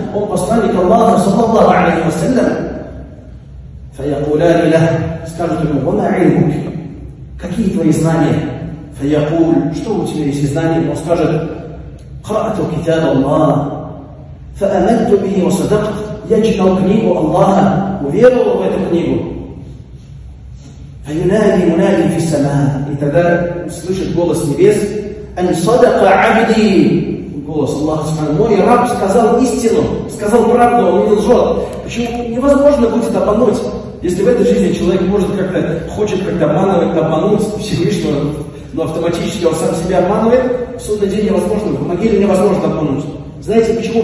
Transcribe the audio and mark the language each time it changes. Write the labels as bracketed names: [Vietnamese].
[Russian] Он посланник Аллаха, саллаллаху алейхи ва саллям. [Arabic] «Фаякуля лилах», [Russian] скажут ему: [Arabic] «Вама айлук», [Russian] «Какие твои знания?» [Arabic] «Фаякул», [Russian] «Что у тебя есть знания?» Он скажет: [Arabic] «Краату китаб Аллах». فَأَمَنْتُ بِهِ وَصَدَقْتُ. [Russian] Я читал книгу Аллаха, уверовал в эту книгу. [Arabic] فَيُنَادِي مُنَادٍ فِي السَّمَاءِ. [Russian] И тогда слышит голос небес: [Arabic] أَنْ صَدَقَ عَبْدِي. [Russian] Голос Аллаха сказал: «Мой раб сказал истину, сказал правду, он не лжет». Почему? Невозможно будет обмануть. Если в этой жизни человек может как-то, хочет как-то обманывать, обмануть Всевышнего, но автоматически он сам себя обманывает, в судный день невозможно, в могиле невозможно обмануть. Знаете почему?